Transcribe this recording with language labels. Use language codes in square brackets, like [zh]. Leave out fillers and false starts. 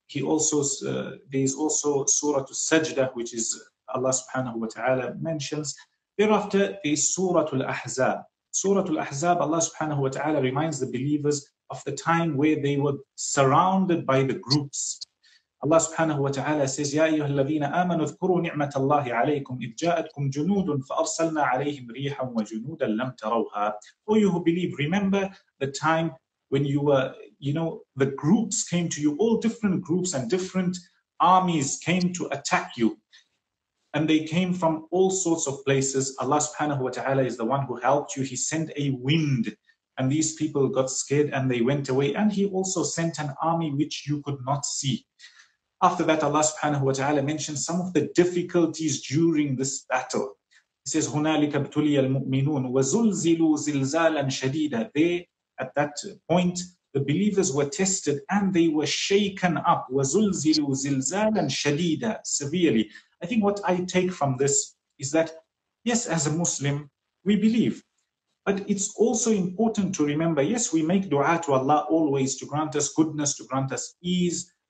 [en] He also, there is also Surah Al-Sajda, which is Allah subhanahu wa ta'ala mentions. Thereafter, there is Surah Al-Ahzab. Surah Al-Ahzab, Allah subhanahu wa ta'ala reminds the believers of the time where they were surrounded by the groups. Allah subhanahu wa ta'ala says, [ar] يَا أَيُّهَا الَّذِينَ آمَنُوا اذْكُرُوا نِعْمَةَ اللَّهِ عَلَيْكُمْ إِذْ جَاءَتْكُمْ جُنُودٌ فَأَرْسَلْنَا عَلَيْهِمْ رِيحًا وَجُنُودًا لَمْ تَرَوْهَا. [en] O you who believe, remember the time when you were, you know, the groups came to you, all different groups and different armies came to attack you. And they came from all sorts of places. Allah subhanahu wa ta'ala is the one who helped you. He sent a wind, and these people got scared and they went away. And He also sent an army which you could not see. After that, Allah subhanahu wa ta'ala mentions some of the difficulties during this battle. He says, [ar] هُنَالِكَ ابْتُلِيَ الْمُؤْمِنُونَ وَزُلْزِلُوا زِلْزَالًا شَدِيدًا. [en] They, at that point, the believers were tested and they were shaken up. [ar] وَزُلْزِلُوا زِلْزَالًا شَدِيدًا. [en] Severely. I think what I take from this is that, yes, as a Muslim, we believe. But it's also important to remember, yes, we make dua to Allah always to grant us goodness, to grant us ease,